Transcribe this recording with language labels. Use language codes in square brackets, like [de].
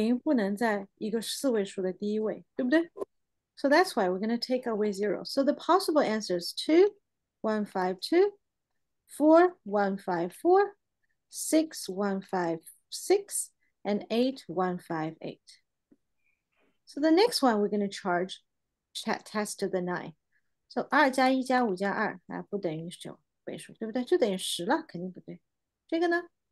[zh] 因为零不能在一个四位数的第一位，对不对? [en] So that's why we're going to take away zero. So the possible answer is 2, 1, 5, 2, 4, 1, 5, 4, 6, 1, 5, 6, and 8, 1, 5, 8. So the next one we're going to charge, test the 9. [zh] So 2加1加5加2，不等于9位数，对不对？就等于10了，肯定不对。这个呢？